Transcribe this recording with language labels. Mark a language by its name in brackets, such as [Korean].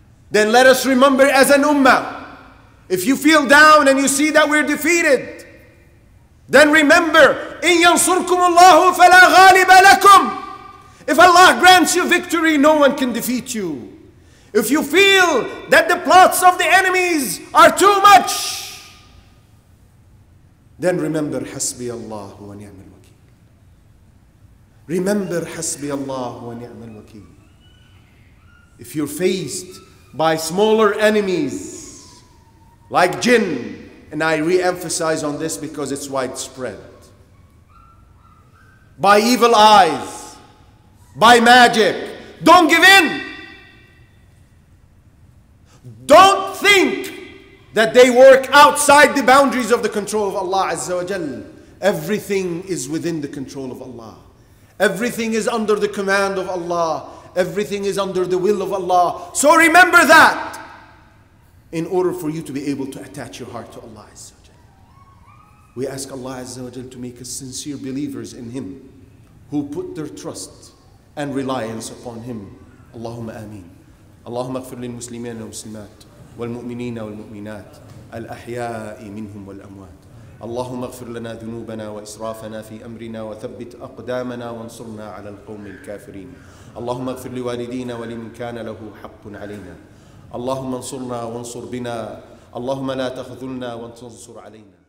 [English] Then let us remember as an ummah. If you feel down and you see that we're defeated, then remember, [Arabic] إِن يَنصُرْكُمُ اللَّهُ فَلَا غَالِبَ لَكُمْ. [English] If Allah grants you victory, no one can defeat you. If you feel that the plots of the enemies are too much, then remember, [Arabic] حسبي الله ونعم الوكيل. [English] Remember, [Arabic] حسبي الله ونعم الوكيل. [English] If you're faced by smaller enemies, like jinn, and I re-emphasize on this because it's widespread, by evil eyes, by magic, don't give in. Don't think that they work outside the boundaries of the control of Allah Azza wa Jal. Everything is within the control of Allah. Everything is under the command of Allah. Everything is under the will of Allah. So remember that in order for you to be able to attach your heart to Allah Azza wa Jal. We ask Allah Azza wa Jal to make us sincere believers in Him who put their trust and reliance upon Him. Allahumma ameen. [Arabic] اللهم اغفر للمسلمين والمسلمات والمؤمنين والمؤمنات الأحياء منهم والأموات اللهم اغفر لنا ذنوبنا وإسرافنا في أمرنا وثبت أقدامنا وانصرنا على القوم الكافرين اللهم اغفر لوالدينا ولمن كان له حق علينا اللهم انصرنا وانصر بنا اللهم لا تخذلنا وانصر علينا